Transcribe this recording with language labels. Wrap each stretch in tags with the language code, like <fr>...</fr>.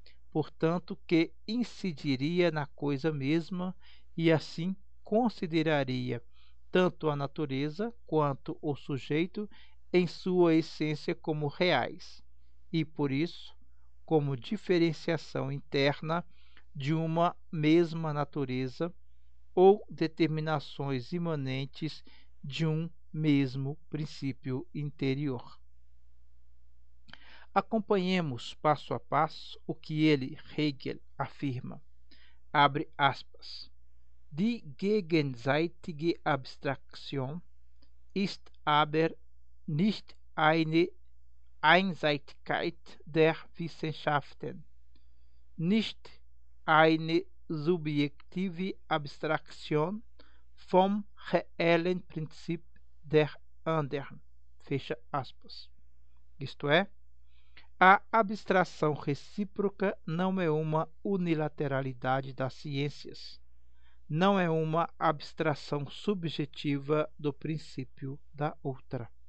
<pt>portanto, que incidiria na coisa mesma e assim consideraria tanto a natureza quanto o sujeito em sua essência como reais, e por isso, como diferenciação interna de uma mesma natureza ou determinações imanentes de um mesmo princípio interior. Acompanhemos passo a passo o que ele, Hegel, afirma. Abre aspas.</pt> <de>Die gegenseitige Abstraktion ist aber nicht eine Einseitigkeit der Wissenschaften, nicht eine subjektive Abstraktion vom reellen Prinzip der anderen.</de> <pt>Fecha aspas. Isto é, a abstração recíproca não é uma unilateralidade das ciências, não é uma abstração subjetiva do princípio da outra.</pt>